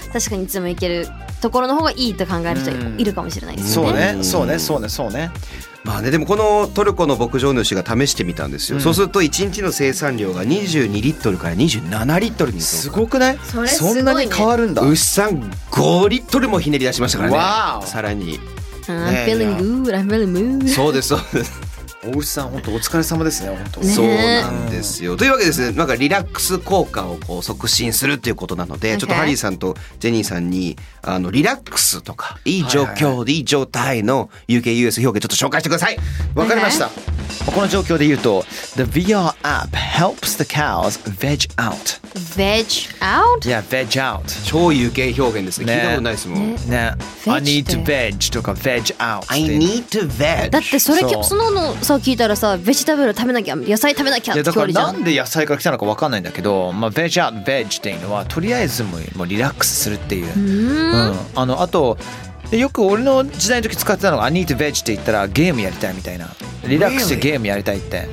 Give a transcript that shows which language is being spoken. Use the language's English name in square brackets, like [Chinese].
[Japanese] 確かにいつも行けるところの方がいいと考える人いるかもしれないですね。そうね、そうね、そうね、そうね。まあね、でもこのトルコの牧場主が試してみたんですよ、うん、そうすると1日の生産量が22リットルから27リットルに。すごくない？それすごいね。そんなに変わるんだ。牛さん5リットルもひねり出しましたからね。さらに [English] I'm feeling good, I'm feeling mood。 [Japanese] そうです、そうです。お牛さん本当お疲れ様ですね、本当。そうなんですよ。というわけですね、なんかリラックス効果をこう促進するっていうことなので、okay. ちょっとハリーさんとジェニーさんにあのリラックスとかいい状況で、はいはい、いい状態の UKUS 表現ちょっと紹介してください。わかりました。この状況で言うと [English] The VR app helps the cows veg out。 Veg out? Yeah, veg out。 [Japanese] 超UK 表現ですね、聞いたことないですもん、 [English] ね、I need to veg とか veg out。 I need to veg。 [Japanese] だってそれそののさ聞いたらさ、ベジタブル食べなきゃ、野菜食べなきゃって距離じゃん。なんで野菜から来たのか分かんないんだけど、まあ、veg out veg っていうのはとりあえずもうリラックスするっていう、うん、あのあとよく俺の時代の時使ってたのが [English] I need to veg [Japanese] って言ったらゲームやりたいみたいな、リラックスしてゲームやりたいって、